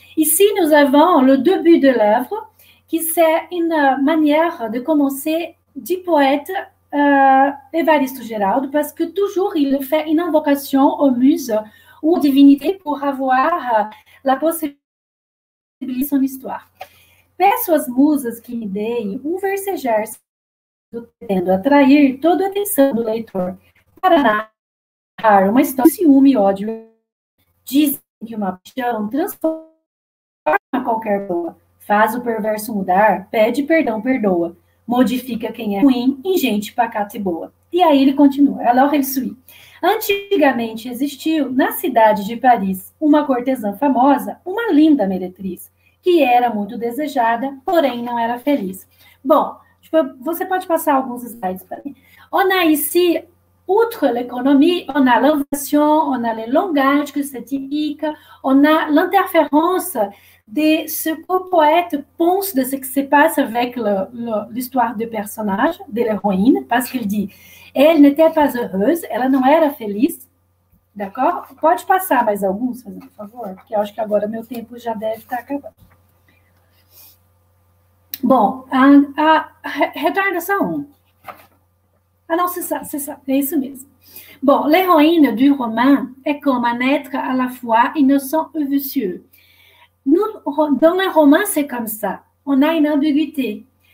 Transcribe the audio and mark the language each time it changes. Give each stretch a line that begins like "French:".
French: Ici, nous avons le début de l'œuvre, qui c'est une manière de commencer du poète. Évariste Géraldo, parce que toujours il fait une invocation aux muses ou aux divinités pour avoir la possibilité de son histoire.
Portuguese: Peço às musas que me deem um versejar, tendo atrair toda a atenção do leitor para narrar uma história de ciúme e ódio. Dizem que uma paixão transforma qualquer boa, faz o perverso mudar, pede perdão, perdoa. Modifica quem é ruim em gente pacata e boa. E aí ele continua.
French: Alors il suit.
Portuguese: Antigamente existiu, na cidade de Paris, uma cortesã famosa, uma linda meretriz, que era muito desejada, porém não era feliz. Bom, tipo, você pode passar alguns slides para mim.
French: On a ici, outre l'économie, on a l'invasion, on a les langages que se typique, on a l'interférence de ce que le poète pense de ce qui se passe avec l'histoire du personnage, de l'héroïne, parce qu'il dit « elle n'était pas heureuse, elle
Portuguese: non era feliz ».
French: D'accord?
Portuguese: Pode passar mais alguns, por favor, porque eu acho que agora meu tempo já deve estar acabando. Bom, retorna só um. Ah não,
French: c'est ça,
Portuguese: é isso mesmo.
French: Bom, l'héroïne du roman est comme un être à la fois innocent et vicieux. Dans le roman, c'est comme ça. On a une ambiguïté.